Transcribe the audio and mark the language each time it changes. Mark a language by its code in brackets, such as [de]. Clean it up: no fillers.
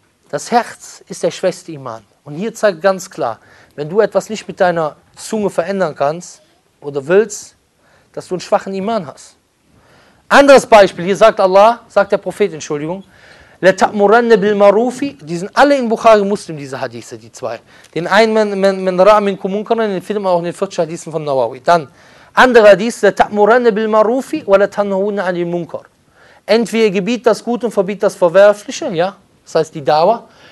[de] Das Herz ist der schwächste Iman. Und hier zeigt ganz klar, wenn du etwas nicht mit deiner Zunge verändern kannst oder willst, dass du einen schwachen Iman hast. Anderes Beispiel, hier sagt Allah, sagt der Prophet, Entschuldigung, [ar] لَتَأْمُرَنَّ بِالْمَعْرُوفِ, [de] die sind alle in Bukhari Muslim, diese Hadithe, die zwei. Den einen, [ar] من رأى منكم منكرا, [de] den findet man auch in den 40 Hadithen von Nawawi. Dann, andere Hadith, [ar] لَتَأْمُرَنَّ بِالْمَعْرُوفِ وَلَتَنْهَوْنَ عَنِ الْمُنْكَرِ. [de] Entweder gebiet das Gute und verbiet das Verwerfliche, ja, das heißt die Dawa.